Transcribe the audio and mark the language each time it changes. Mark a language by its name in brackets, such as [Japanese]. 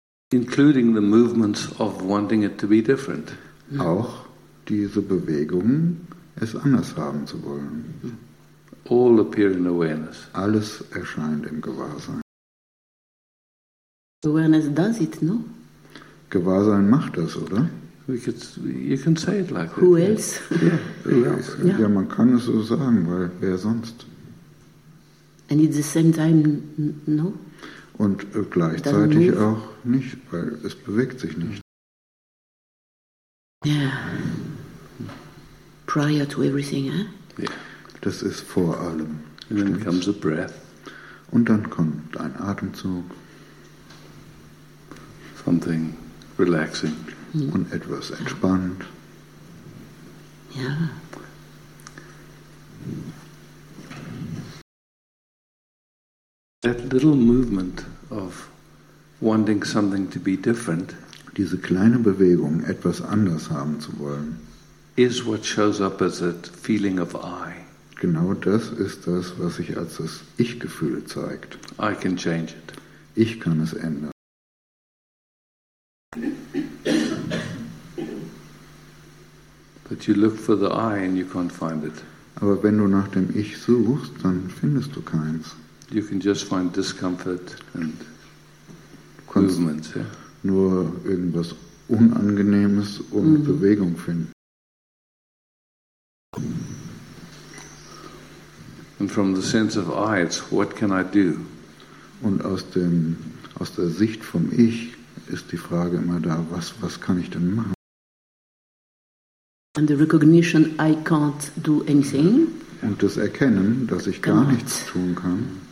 [English] Including the movements of wanting it to be different. [German] Auch diese Bewegungen, es anders haben zu wollen. [English] All appear in awareness. [German] Alles erscheint im Gewahrsein. [English] Awareness does it, no? [German] Gewahrsein macht das, oder? [English] You can say it like who that. Who else? Yeah. [German] Ja, man kann es so sagen, weil wer sonst? [English] And at the same time, no? [German] Und gleichzeitig auch nicht, weil es bewegt sich nicht. [English] Yeah. Prior to everything, eh? Yeah. [German] Das ist vor allem. [English] And then comes a breath. [German] Und dann kommt ein Atemzug. [English] Something relaxing. [German] Und etwas entspannt. Ja. [English] That little movement of wanting something to be different. [German] Diese kleine Bewegung, etwas anders haben zu wollen. [English] Is what shows up as a feeling of I. [German] Genau das ist das, was sich als das Ich-Gefühl zeigt. [English] I can change it. [German] Ich kann es ändern. [English] But you look for the I and you can't find it. [German] Aber wenn du nach dem Ich suchst, dann findest du keins. [English] You can just find discomfort and movements. Yeah? [German] Nur irgendwas Unangenehmes und Bewegung finden. [English] And from the sense of I, it's what can I do? [German] Und aus der Sicht vom Ich ist die Frage immer da, was kann ich denn machen? [English] And the recognition I can't do anything. [German] Und das Erkennen, dass ich gar nichts tun kann.